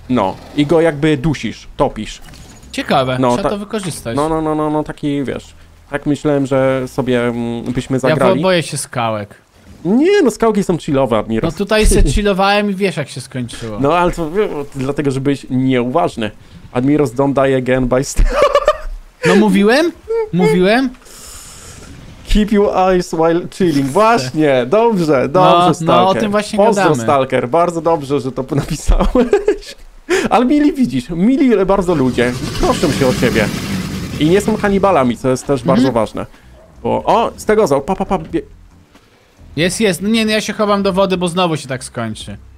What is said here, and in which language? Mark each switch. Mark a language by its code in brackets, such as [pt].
[pl] No, i go jakby dusisz, topisz. Ciekawe, no, trzeba to wykorzystać. No, taki, wiesz, tak myślałem, że sobie byśmy zagrali. Ja boję się skałek. Nie, no skałki są chillowe, Admiros. No tutaj se chillowałem i wiesz, jak się skończyło. No, ale to dlatego, że byłeś nieuważny. [en] Admiros, don't die again by stealth. [pl] No mówiłem. [en] Keep your eyes while chilling. [pl] Właśnie, dobrze, no, Stalker. No, o tym właśnie gadamy. Pozdro, Stalker, bardzo dobrze, że to napisałeś. Ale mili widzisz, mili bardzo ludzie, proszę się o ciebie. I nie są kanibalami, co jest też bardzo ważne. Bo, o, z tego zał, pa. Jest. No nie, no ja się chowam do wody, bo znowu się tak skończy.